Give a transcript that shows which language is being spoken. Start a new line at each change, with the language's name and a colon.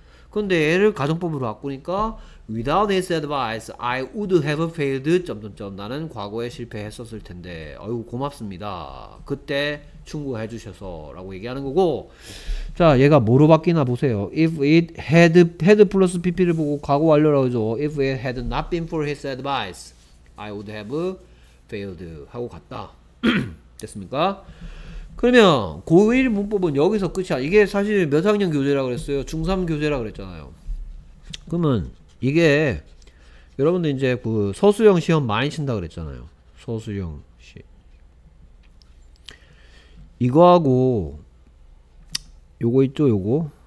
Korean: 근데 얘를 가정법으로 바꾸니까
English: without his advice, I would have failed.
Korean: 점점점 나는 과거에 실패했었을 텐데, 어이구 고맙습니다. 그때 충고해 주셔서라고 얘기하는 거고. 자, 얘가 뭐로 바뀌나 보세요.
English: If it had
Korean: 플러스 PP를 보고 과거 완료라고 하죠.
English: If it had not been for his advice, I would have failed
Korean: 하고 갔다. 됐습니까? 그러면 고1 문법은 여기서 끝이야. 이게 사실 몇 학년 교재라고 그랬어요? 중3 교재라고 그랬잖아요. 그러면 이게 여러분들 이제 그 서수형 시험 많이 친다 그랬잖아요. 서수형 시 이거하고 요거 있죠, 요거?